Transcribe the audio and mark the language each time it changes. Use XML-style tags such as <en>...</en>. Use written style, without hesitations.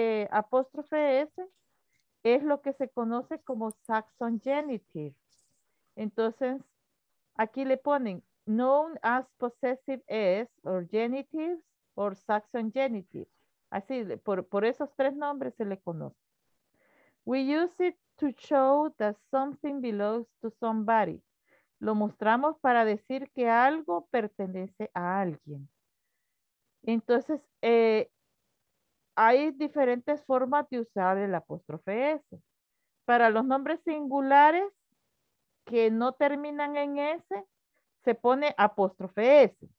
<es>Apóstrofe S es lo que se conoce como Saxon genitive. Entonces, aquí le ponen</es> <en>known as possessive S or genitives or Saxon genitive.</en> <es>Así, por esos tres nombres se le conoce.</es> <en>We use it to show that something belongs to somebody.</en> <es>Lo mostramos para decir que algo pertenece a alguien. Entonces, hay diferentes formas de usar el apóstrofe S. Para los nombres singulares que no terminan en S, se pone apóstrofe S.</es>